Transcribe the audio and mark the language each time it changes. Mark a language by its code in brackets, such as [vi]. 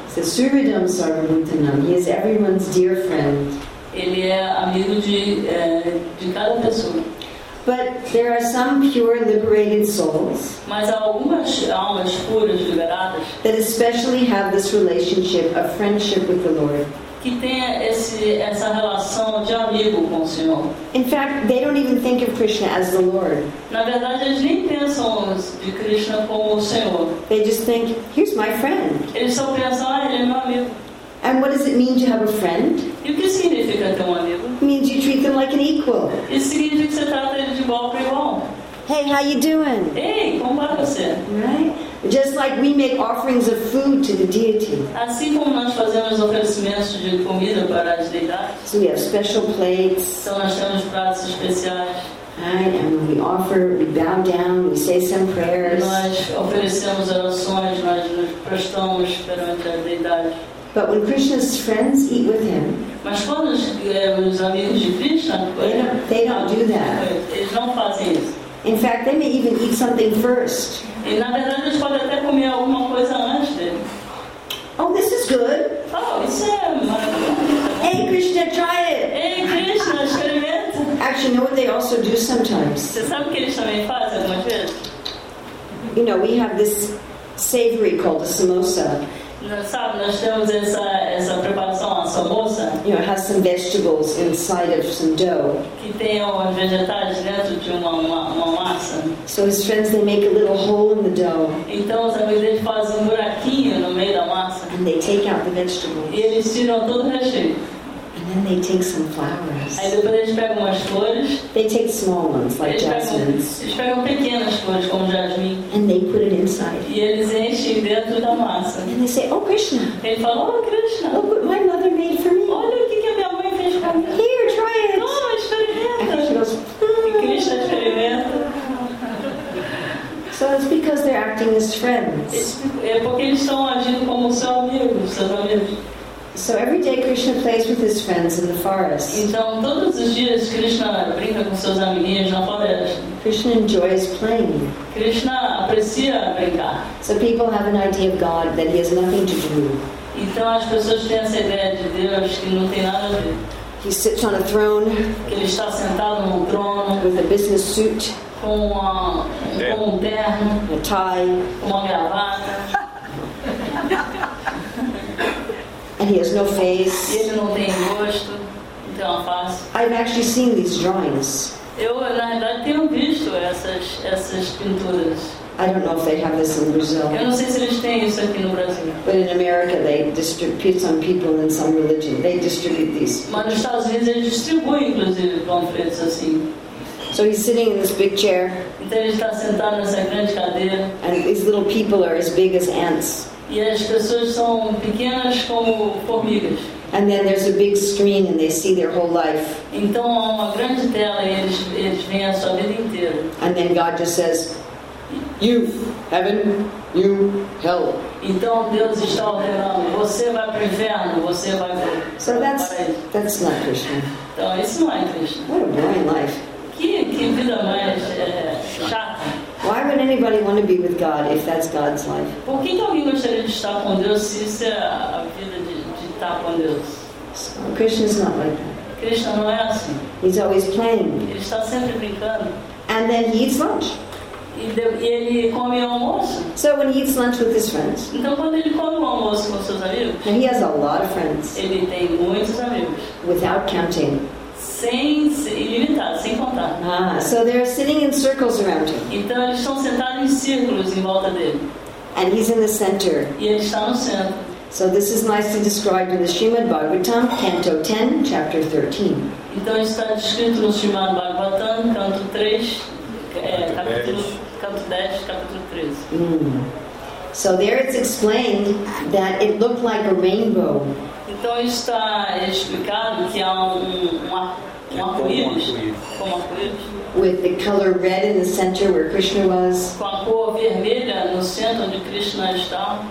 [en] The Suridam Sarvabhutanam, he is everyone's dear friend. [pt] Ele é amigo de cada pessoa. [en] But there are some pure liberated souls, [pt] mas há algumas almas puras liberadas, [en] that especially have this relationship of friendship with the Lord. [pt] Que tem essa relação de amigo com o Senhor. [en] In fact, they don't even think of Krishna as the Lord. [pt] Na verdade, eles nem pensam de Krishna como o Senhor. [en] They just think, here's my friend. [pt] Eles só pensam, ah, ele é meu amigo. [en] And what does it mean to have a friend? [pt] E o que significa ter um amigo? [en] It means you treat them like an equal. [pt] Isso significa que você trata ele de igual para igual. [en] Hey, how you doing? [pt] Ei, como vai você? [en] Right? Just like we make offerings of food to the deity. [pt] Assim como nós fazemos oferecimentos de comida para as deidades. [en] So we have special plates. [pt] Então nós temos pratos especiais. [en] Right? And when we offer, we bow down, we say some prayers. [pt] Nós oferecemos orações, nós nos prestamos perante a deidade. [en] But when Krishna's friends eat with him, [pt] mas quando os amigos de Krishna, [en] they don't do that. [pt] Eles não fazem isso. [en] In fact, they may even eat something first. [pt] E na verdade eles podem até comer alguma coisa antes dele. [en] Oh, this is good. [pt] Oh, isso é maravilhoso. [en] Hey, Krishna, try it. [pt] Hey, Krishna, experimenta. [en] Actually, you know what they also do sometimes? [pt] Você sabe o que eles também fazem algumas vezes? [en] You know, we have this savory called a samosa. [pt] Sabe, nós temos essa preparação, a samosa. [en] You know, it has some vegetables inside of some dough. [pt] Que tem alguns vegetais dentro de uma massa. [en] So his friends, they make a little hole in the dough. [pt] Então os amigos deles fazem um buraquinho no meio da massa. [en] And they take out the vegetables. [pt] E eles tiram todo o recheio. [en] And then they take some flowers. [pt] Aí depois eles pegam umas flores. [en] They take small ones, like jasmines. [pt] Eles pegam pequenas flores, como jasmim. [en] And they put it inside. [pt] E eles enchem dentro da massa. [en] And they say, oh, Krishna. [pt] Ele fala, oh, Krishna. [en] Look what my mother made for me. [pt] Olha o que a minha mãe fez para mim. [en] Here, try it. [pt] Oh, experimenta. [en] And [pt] Krishna experimenta. [en] So it's because they're acting as friends. [pt] É porque eles estão agindo como seus amigos. [en] So every day Krishna plays with his friends in the forest. [pt] Então todos os dias Krishna brinca com seus amiguinhos na floresta. [en] Krishna enjoys playing. [pt] Krishna aprecia brincar. [en] So people have an idea of God that he has nothing to do. [pt] Então as pessoas têm essa ideia de Deus que não tem nada a ver. [en] He sits on a throne. [pt] Ele está sentado num trono. [en] With a business suit. [pt] Com um terno. [en] A tie. [pt] Uma gravata. [en] And he has no face. [pt] Ele não tem rosto, não tem uma face. [en] I've actually seen these drawings. [pt] Eu na verdade tenho visto essas pinturas. [en] I don't know if they have this in Brazil. [pt] Eu não sei se eles têm isso aqui no Brasil. [en] But in America, they distribute some people in some religion. They distribute these. [pt] Mas nos Estados Unidos eles distribuem inclusive panfletos assim. [en] So he's sitting in this big chair. [pt] Então ele está sentado nessa grande cadeira. [en] And these little people are as big as ants. [pt] E as pessoas são pequenas como formigas. [en] And then there's a big screen and they see their whole life. [pt] Então há uma grande tela e eles veem a sua vida inteira. [en] And then God just says, you, heaven, you, hell. [pt] Então Deus está ordenando, você vai para o inferno, você vai para o paraíso. [en] So that's not Krishna. [pt] Então isso não é Krishna. [en] What a boring life. [pt] Que vida mais chata. [en] Why would anybody want to be with God if that's God's life? [pt] Por que alguém gostaria de estar com Deus se isso é a vida de estar com Deus? [en] So, Krishna's not like that. [pt] Krishna não é assim. [en] He's always playing. [pt] Ele está sempre brincando. [en] And then he eats lunch. [pt] Ele come almoço. [en] So when he eats lunch with his friends. [pt] Então quando ele come almoço com seus amigos. [en] And he has a lot of friends. [pt] Ele tem muitos amigos. [en] Without counting. [pt] Sem contar. [en] So they're sitting in circles around him. [pt] Então eles estão sentados em círculos em volta dele. [en] And he's in the center. [pt] E ele está no centro. [en] So this is nicely described in the Srimad Bhagavatam, Canto 10, Chapter 13. [pt] Então está descrito no Srimad Bhagavatam, Canto 3, capítulo 13. [en] So there it's explained that it looked like a rainbow. [pt] Então está explicado que há um arco-íris, como arco-íris. [en] With the color red in the center where Krishna was. [pt] Com a cor vermelha no centro onde Krishna está.